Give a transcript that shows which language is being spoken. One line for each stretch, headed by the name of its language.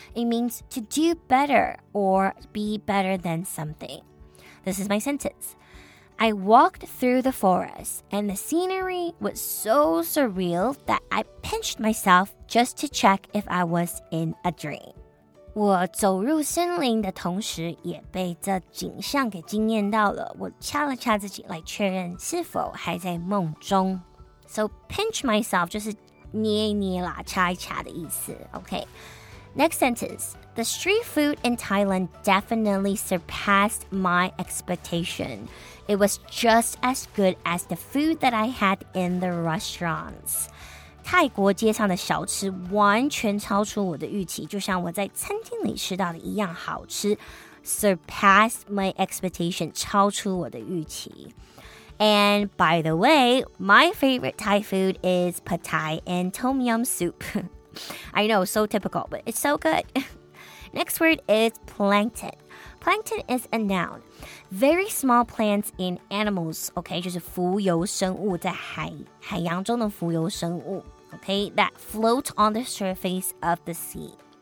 English: It means to do better or be better than something. This is my sentence. I walked through the forest and the scenery was so surreal that I pinched myself just to check if I was in a dream.
Chinese: 我走入森林的同时也被这景象给惊艳到了。我掐了掐自己来确认是否还在梦中。
English: So pinch myself
Chinese: 就是捏一捏啦，掐一掐的意思。
English: Okay. Next sentence. The street food in Thailand definitely surpassed my expectation. It was just as good as the food that I had in the restaurants.
Chinese: 泰国街上的小吃完全超出我的预期，就像我在餐厅里吃到的一样好吃。
English: Surpassed my expectation,
Chinese: 超出我的预期。
English: And by the way, my favorite Thai food is pad Thai and tom yum soup. I know, so typical, but it's so good. Next word is plankton. Plankton is a noun. Very small plants in animals, okay,
Chinese: 就是浮游生物在海洋中的浮游生物
English: okay, that float on the surface of the sea.